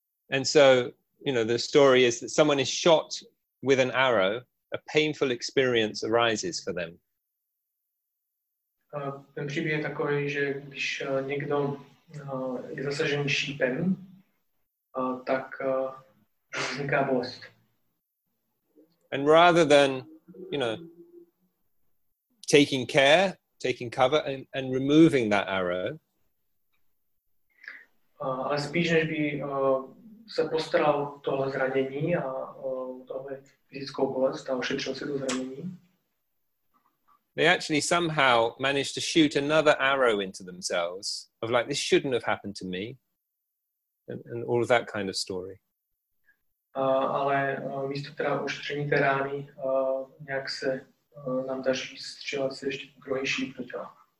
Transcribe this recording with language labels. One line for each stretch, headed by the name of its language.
English: And so, you know, the story is that someone is shot with an arrow, a painful experience arises for them.
Czech: Ten příběh je takový, že když někdo je zasažen šípem, tak vzniká bolest.
English: And rather than, you know, taking care, taking cover and removing that arrow,
Czech: ale spíš než by se postaral toho zranění a toho fyzickou bolest a ošetřil si to zranění,
English: they actually somehow managed to shoot another arrow into themselves of like, this shouldn't have happened to me, and all of that kind of story.
Czech: Ale místo teda ošetření té rány, nějak se nám daří střílet se ještě druhý šíp do těla.